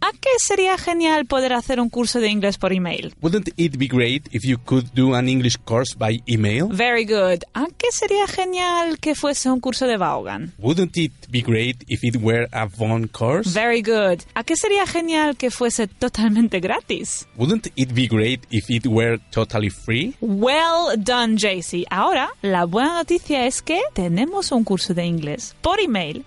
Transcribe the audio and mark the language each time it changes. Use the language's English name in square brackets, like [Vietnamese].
[Spanish] ¿A qué sería genial poder hacer un curso de inglés por email? [English] Wouldn't it be great if you could do an English course by email? Very good. [Spanish] ¿A qué sería genial que fuese un curso de Vaughan? [English] Wouldn't it be great if it were a Vaughan course? Very good. [Spanish] ¿A qué sería genial genial que fuese totalmente gratis. [English] Wouldn't it be great if it were totally free? Well done, JC. [Spanish] Ahora, la buena noticia es que tenemos un curso de inglés por email.